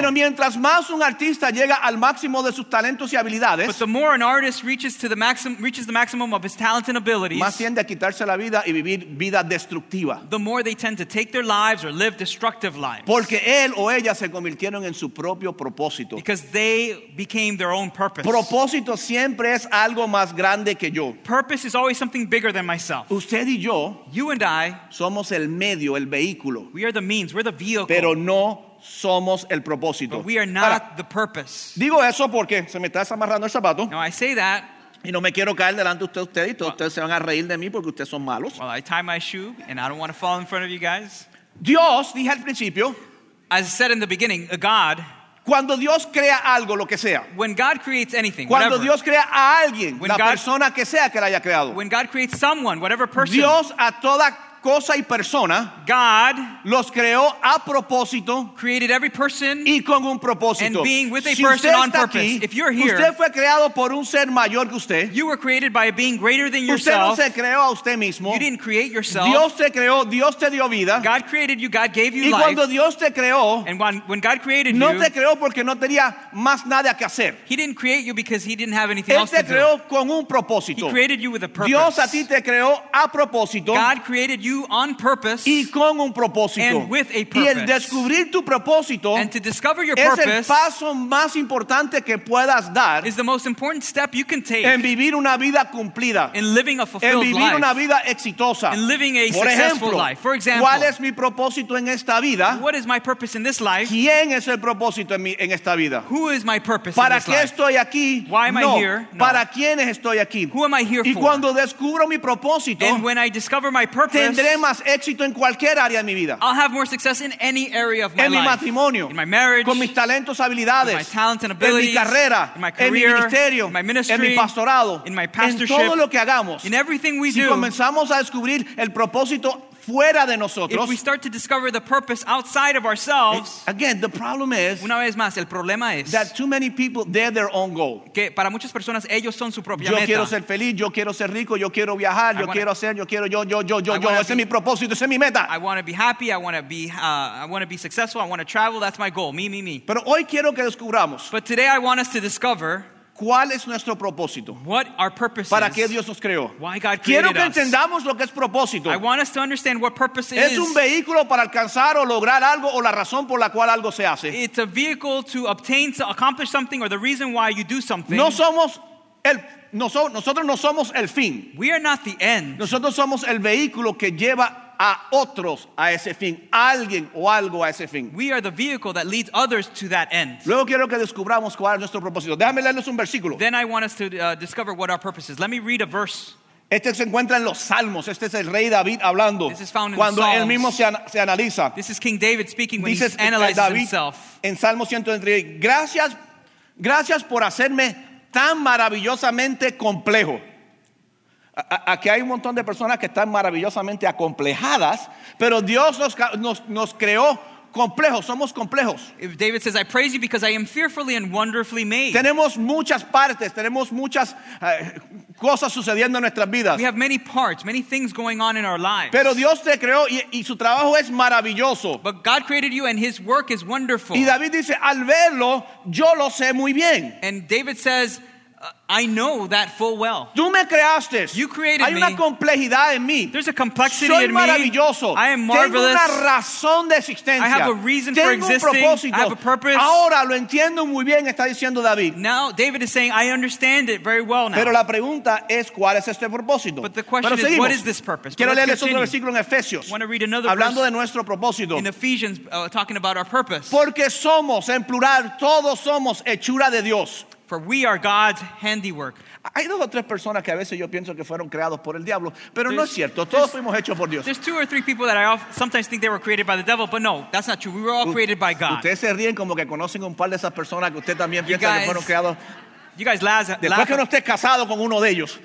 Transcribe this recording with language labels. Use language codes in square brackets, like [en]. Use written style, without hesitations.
[es] Pero mientras más un artista llega al máximo de sus talentos y habilidades, [en] but the more an artist reaches to the maximum, reaches the maximum of his talents and abilities, [es] más tiende a quitarse la vida y vivir vida destructiva. [en] The more they tend to take their lives or live destructive lives. [es] Porque él o ella se convirtieron en su propio propósito. [en] Because they became their own purpose. [es] Propósito siempre es algo más grande que yo. [en] Purpose is always something bigger than myself. [es] Usted y yo, [en] you and I, [es] somos el medio, el vehículo. [en] We are the means, we're the vehicle. [es] Pero no somos el propósito. [en] But we are not the purpose. [es] Digo eso porque se me está desamarrando el zapato. [en] Now I say that. [es] Y no me quiero caer delante de usted, usted y todos well, ustedes se van a reír de mí porque ustedes son malos. [en] Well, I tie my shoe and I don't want to fall in front of you guys. [es] Dios, dije al principio, [en] as I said in the beginning, a God, [es] cuando Dios crea algo, lo que sea, [en] when God creates anything, [es] cuando [en] whatever, [es] Dios crea a alguien, la God, persona que sea que la haya creado, [en] when God creates someone, whatever person, [es] Dios a toda cosa y persona, [en] God [es] los creó a propósito, [en] created every person [es] y con un propósito, [en] and being with a [es] si [en] person on purpose. [es] Aquí, [en] if you're here, [es] usted fue creado por un ser mayor que usted. [en] You were created by a being greater than [es] usted [en] yourself. [es] Usted no se creó a usted mismo. [en] You didn't create yourself. [es] Dios te creó. Dios te dio vida. [en] God created you. God gave you life. [es] Y cuando Dios te creó, [en] and when God created [es] no [en] you, [es] no te creó porque no tenía más nada que hacer. [en] He didn't create you because he didn't have anything [es] él [en] else to do. [es] Él te creó con un propósito. [en] He created you with a purpose. [es] Dios a ti te creó a propósito. [en] God created you on purpose [es] y con un propósito, [en] and with a purpose. [es] Y el descubrir tu propósito, [en] and to discover your [es] es [en] purpose [es] el paso más importante que puedas dar, [en] is the most important step you can take [es] en vivir una vida cumplida, [en] in living a fulfilled [es] en vivir [en] life, [es] una vida exitosa, [en] in living a [es] por [en] successful [es] ejemplo, [en] life. For example, [es] ¿cuál es mi propósito en esta vida? [en] What is my purpose in this life? [es] ¿Quién es el propósito en, mi, en esta vida? [en] Who is my purpose [es] ¿para [en] in this [es] qué [en] life? [es] Estoy aquí? [en] Why am [es] no. [en] I here? No. [es] ¿Para quiénes estoy aquí? [en] Who am I here [es] y [en] for? [es] Y cuando descubro mi propósito, [en] and when I discover my purpose, [es] tendré más éxito en cualquier área de mi vida. [en] I'll have more success in any area of my life. [es] En mi matrimonio. [en] In my marriage. [es] Con mis talentos, habilidades. [en] In my talent and abilities. [es] En mi carrera. [en] In my career. [es] En mi ministerio. [en] In my ministry. [es] En mi pastorado. [en] In my pastorship. [es] En todo lo que hagamos. [en] In everything we [es] si [en] do. [es] Si comenzamos a descubrir el propósito fuera de nosotros, [en] if we start to discover the purpose outside of ourselves, again, the problem is, [es] una vez más, el problema es, [en] that too many people, they're their own goal. [es] Que para muchas personas, ellos son su propia yo meta. Quiero ser feliz, yo quiero ser rico, yo quiero viajar, yo [en] wanna, [es] quiero hacer, yo quiero, yo, ese es mi propósito, ese es mi meta. [en] I want to be happy, I want to be successful, I want to travel, that's my goal, me. [es] Pero hoy quiero que descubramos, [en] but today I want us to discover, [es] ¿cuál es nuestro propósito? [en] What our purpose is. [es] ¿Para qué Dios nos creó? [en] Why God created [es] quiero que entendamos [en] us. [es] Lo que es propósito. [en] I want us to understand what purpose [es] es [en] is. [es] Es un vehículo para alcanzar o lograr algo o la razón por la cual algo se hace. [en] It's a vehicle to obtain, to accomplish something or the reason why you do something. [es] No somos el nosotros no somos el fin. [en] We are not the end. [es] Nosotros somos el vehículo que lleva a otros a ese fin, a alguien o algo a ese fin. [en] We are the vehicle that leads others to that end. [es] Luego quiero que descubramos cuál es nuestro propósito. Déjame leerles un versículo. [en] Then I want us to discover what our purpose is. Let me read a verse. [es] Este se encuentra en los Salmos. Este es el rey David hablando. [en] This is found in [es] cuando [en] Psalms. [es] Él mismo se analiza. [en] This is King David speaking when he analyzes [es] David [en] himself. [es] En Salmo 103, gracias por hacerme tan maravillosamente complejo. Aquí hay un montón de personas que están maravillosamente acomplejadas, pero Dios nos creó complejos, somos complejos. [en] David says, I praise you because I am fearfully and wonderfully made. [es] Tenemos muchas partes, tenemos muchas cosas sucediendo en nuestras vidas. [en] We have many parts, many things going on in our lives. [es] Pero Dios te creó y su trabajo es maravilloso. [en] But God created you and his work is wonderful. [es] Y David dice, al verlo, yo lo sé muy bien. [en] And David says, I know that full well. [es] Tú me creaste. [en] You created [es] hay [en] me. [es] Una complejidad en mí. [en] There's a complexity [es] soy [en] in me. [es] Maravilloso. [en] I am marvelous. [es] Tengo una razón de existencia. [en] I have a reason [es] tengo [en] for existing. [es] Propósito. [en] I have a purpose. [es] Ahora lo entiendo muy bien, está diciendo David. [en] Now David is saying, I understand it very well now. [es] Pero la pregunta es, ¿cuál es este propósito? [en] But the question [es] pero [en] is, [es] seguimos. [en] What is this purpose? [es] Quiero leerles otro versículo en Efesios. [en] I want to read another [es] hablando [en] verse [es] de nuestro propósito. [en] In Ephesians, talking about our purpose. [es] Porque somos, en plural, todos somos hechura de Dios. [en] For we are God's handiwork. [es] Hay dos o tres personas que a veces yo pienso que fueron creados por el diablo, pero no es cierto. Todos fuimos hechos por Dios. [en] There's two or three people that I sometimes think they were created by the devil, but no, that's not true. We were all created by God. [es] Ustedes se ríen como que conocen un par de esas personas que usted también piensa que fueron creados. [en] You guys laugh. [es] Después que no esté casado con uno de ellos.